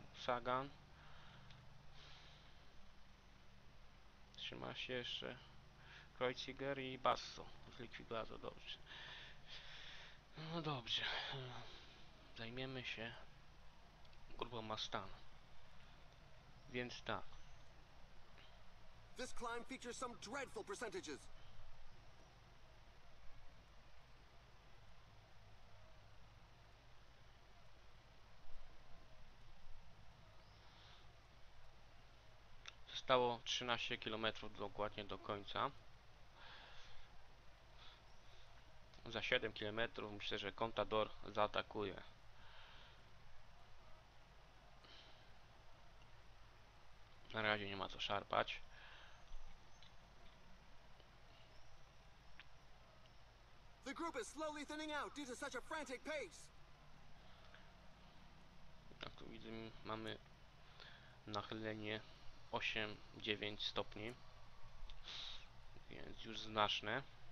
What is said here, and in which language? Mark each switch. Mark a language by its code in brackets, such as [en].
[pl] Sagan trzyma się jeszcze. Kreuziger i Basso z Liquigrasu, dobrze. No dobrze. Zajmiemy się grupą Mastan. Więc tak. [en] This climb features some dreadful percentages. [pl] Zostało 13 kilometrów dokładnie do końca. Za 7 kilometrów myślę, że Contador zaatakuje. Na razie nie ma co szarpać. [en] The group is slowly thinning out due to such a frantic pace. [pl] Jak tu widzę, mamy nachylenie 8-9 stopni, więc już znaczne.